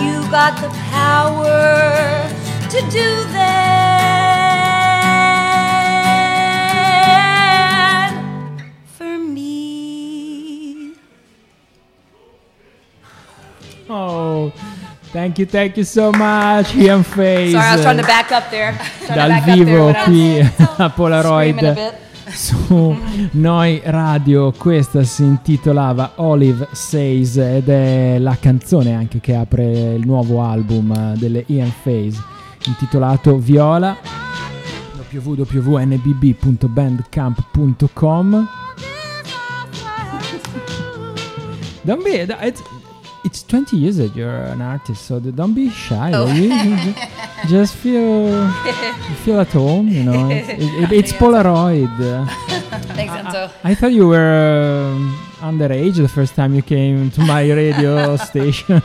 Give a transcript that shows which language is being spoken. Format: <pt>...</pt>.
<en>Got the power to do that for me. Oh, Thank you so much, Ian Faze. Sorry, I was trying to back up there.</en> <it>Dal vivo qui a Polaroid. Su Noi Radio, questa si intitolava Olive Says ed è la canzone anche che apre il nuovo album delle Ian Faze, intitolato Viola, www.nbb.bandcamp.com.</it> <en>Don't be, it's 20 years that you're an artist, so don't be shy. Oh. Just feel at home, you know. It's Polaroid. Thanks, Enzo. I thought you were underage the first time you came to my radio station.</en>